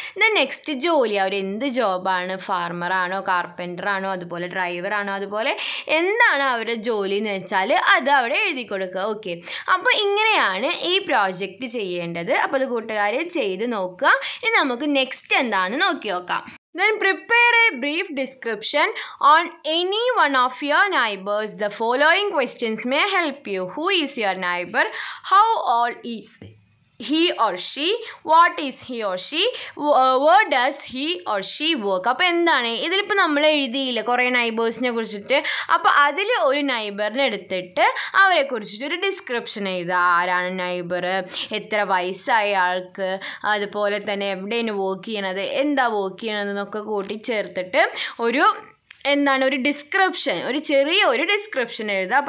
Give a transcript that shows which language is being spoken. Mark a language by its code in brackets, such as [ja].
[ml] Then next ജോലി, അവരെന്ത് ജോബാണ്, ഫാർമറാണോ, കാർപ്പൻ്ററാണോ, അതുപോലെ ഡ്രൈവറാണോ, അതുപോലെ എന്താണ് അവരുടെ ജോലി എന്ന് വെച്ചാൽ അത് അവിടെ എഴുതി കൊടുക്കുക. ഓക്കെ, അപ്പോൾ ഇങ്ങനെയാണ് ഈ പ്രോജക്റ്റ് ചെയ്യേണ്ടത്. അപ്പോൾ അത് കൂട്ടുകാരെ ചെയ്ത് നോക്കുക. ഇനി നമുക്ക് നെക്സ്റ്റ് എന്താണെന്ന് നോക്കി നോക്കാം. [en] Then prepare a brief description on any one of your neighbors. The following questions may help you. Who is your neighbor? How old is he or she? What is he or she? Where does he or she work? [ml] അപ്പോൾ എന്താണ്, ഇതിലിപ്പോൾ നമ്മൾ എഴുതിയില്ല കുറേ നൈബേഴ്സിനെ കുറിച്ചിട്ട്. അപ്പോൾ അതിൽ ഒരു നൈബറിനെടുത്തിട്ട് അവരെ കുറിച്ചിട്ട് ഒരു ഡിസ്ക്രിപ്ഷൻ എഴുതുക. ആരാണ് നൈബർ, എത്ര വയസ്സായ ആൾക്ക്, അതുപോലെ തന്നെ എവിടെയാണ് വർക്ക് ചെയ്യണത്, എന്താ വർക്ക് ചെയ്യണതെന്നൊക്കെ കൂട്ടിച്ചേർത്തിട്ട് ഒരു എന്താണ് ഒരു ഡിസ്ക്രിപ്ഷൻ, ഒരു ചെറിയ ഒരു ഡിസ്ക്രിപ്ഷൻ എഴുതുക.